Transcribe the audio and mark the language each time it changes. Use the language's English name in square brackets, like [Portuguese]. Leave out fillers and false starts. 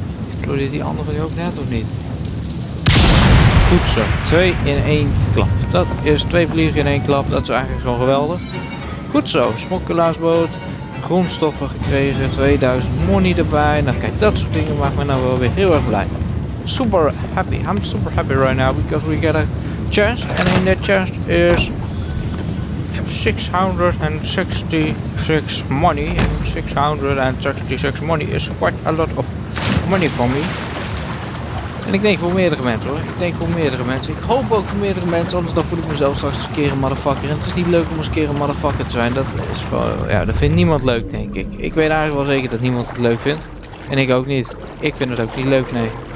[Dutch] explodeert die andere die ook net of niet? Goed zo, 2 in 1 klap. Dat is 2 vliegen in 1 klap, dat is eigenlijk gewoon geweldig. Goed zo, smokkelaarsboot, grondstoffen gekregen, 2000 money erbij. Nou kijk, dat soort dingen maakt me nou wel weer heel erg blij. [English] Super happy, I'm super happy right now, because we get a chest. And in that chest is 666 money. And 666 money is quite a lot of money for me. [Dutch] En ik denk voor meerdere mensen hoor, ik denk voor meerdere mensen. Ik hoop ook voor meerdere mensen, anders dan voel ik mezelf straks een keer een motherfucker. En het is niet leuk om eens een keer een motherfucker te zijn. Dat is gewoon, ja, dat vindt niemand leuk denk ik. Ik weet eigenlijk wel zeker dat niemand het leuk vindt. En ik ook niet. Ik vind het ook niet leuk, nee.